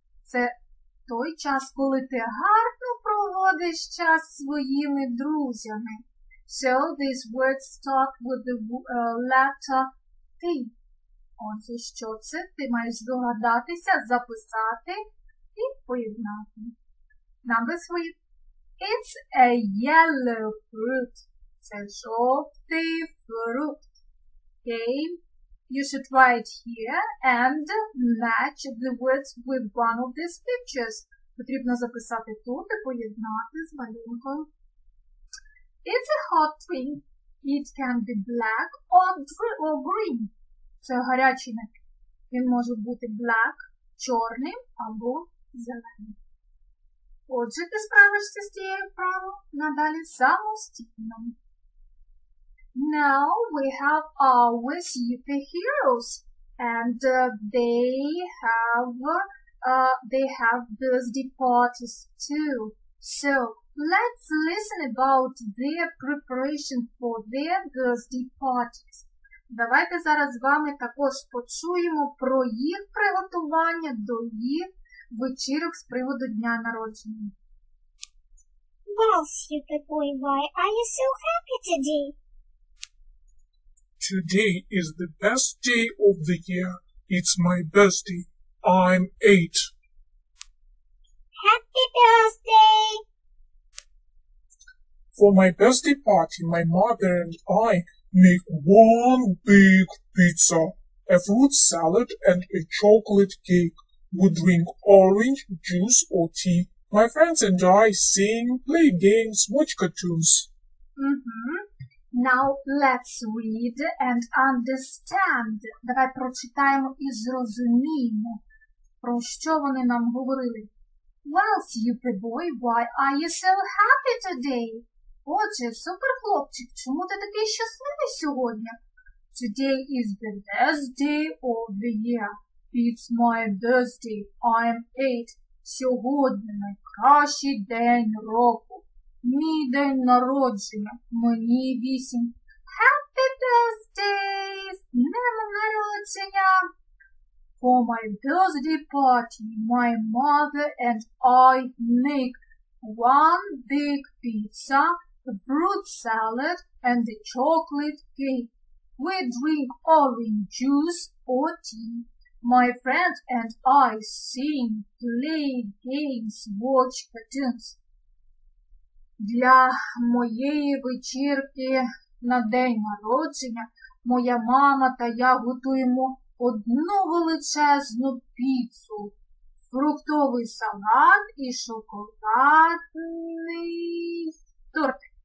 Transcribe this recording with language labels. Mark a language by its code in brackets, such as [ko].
[uk] Це той час, коли ти гарно проводиш час зі своїми друзями. [en] So, these words start with the letter T. [uk] Отже, що це? Ти маєш догадатися, записати і поєднати. [en] Number 3. It's a yellow fruit. [uk] Це жовтий фрукт. [en] Okay, you should write here and match the words with one of these pictures. [uk] Потрібно записати тут і поєднати з малюнком. [en] It's a hot drink. It can be black or green. [uk] Це гарячий напій. Він може бути black, чорним або зеленим. Отже, ти справишся з цією вправою надалі самостійно. [en] Now we have our superheroes, and they have birthday parties too. So let's listen about their preparation for their birthday parties. [uk] Давайте зараз з вами також почуємо про їх приготування до їх вечірок з приводу дня народження. [en] Well, Superboy, why are you so happy today? Today is the best day of the year. It's my birthday. I'm 8. Happy birthday! For my birthday party, my mother and I make one big pizza, a fruit salad and a chocolate cake. We drink orange juice or tea. My friends and I sing, play games, watch cartoons. Now let's read and understand. [uk] Давай прочитаємо і зрозуміємо, про що вони нам говорили. [en] Well, Superboy, why are you so happy today? [uk] Отже, суперхлопчик, чому ти такий щасливий сьогодні? [en] Today is the best day of the year. It's my birthday. I'm 8. [uk] Сьогодні найкращий день року. Мій день народження. Мені 8. [en] Happy birthday! [uk] З днем народження! [en] For my birthday party, my mother and I make one big pizza, a fruit salad and a chocolate cake. We drink orange juice or tea. My friend and I sing, play games, watch cartoons. [uk] Для моєї вечірки на день народження моя мама та я готуємо одну величезну піцу, фруктовий салат і шоколадний торт.